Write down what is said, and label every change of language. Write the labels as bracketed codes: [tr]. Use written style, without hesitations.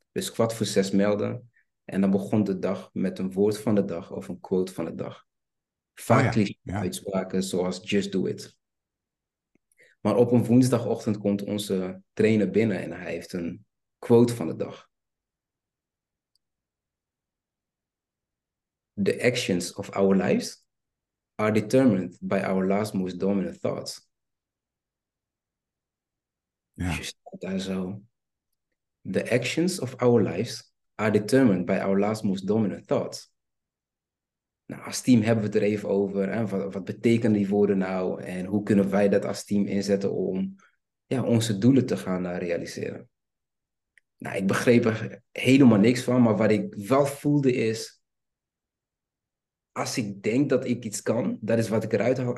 [nl] Dus 5 voor 6 melden. En dan begon de dag met een woord van de dag of een quote van de dag. Oh Vaak cliché uitspraken zoals [en] just do it. [nl] Maar op een woensdagochtend komt onze trainer binnen en hij heeft een quote van de dag. [en] The actions of our lives are determined by our last most dominant thoughts. [nl] Dus je ja. staat daar zo. [en] The actions of our lives are determined by our last most dominant thoughts. [nl] Nou, als team hebben we het er even over. En wat betekenen die woorden nou? En hoe kunnen wij dat als team inzetten om ja, onze doelen te gaan realiseren? Nou, ik begreep er helemaal niks van. Maar wat ik wel voelde is, als ik denk dat ik iets kan, dat is wat ik eruit haal.